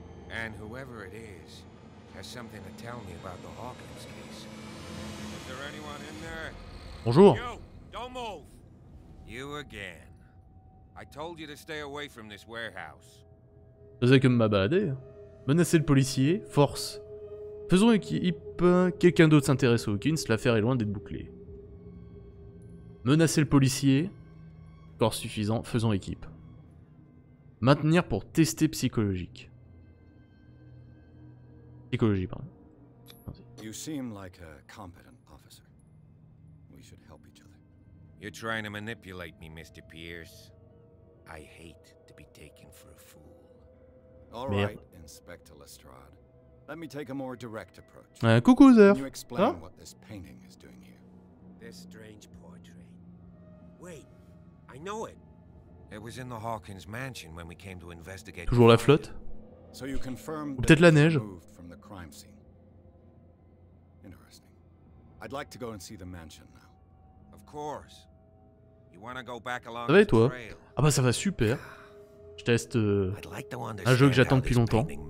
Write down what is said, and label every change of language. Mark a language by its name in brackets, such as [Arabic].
[English] And whoever it is has something to tell me about the Hawkins case. Is there anyone in there? [French] Bonjour. [English] You, don't move. You again. I told you to stay away from this warehouse. [French] Faisais que me balader. Menacer le policier, force. Faisons équipe, quelqu'un d'autre s'intéresse aux Hawkins, l'affaire est loin d'être bouclée. Menacer le policier, corps suffisant, faisons équipe. Maintenir pour tester psychologique. Psychologie, pardon. [English] You seem like a competent officer. We should help each other. You're trying to manipulate me, Mr. Pierce. I hate to be taken for a fool. All right, Inspector Lestrade. Let me take a more direct approach. [French] Coucou, Zerf. [English] Can you explain what this painting is doing here? This strange portrait. Wait, I know it. It was in the Hawkins mansion when we came to investigate. [French] Toujours la flotte. [English] So you confirm. [French] Ou peut-être la neige. [English] Moved from the crime scene. Interesting. I'd like to go and see the mansion now. Of course. You want to go back along the trail? [French] Ça va et toi? Ah bah ça va super. Je teste un jeu que j'attends depuis longtemps.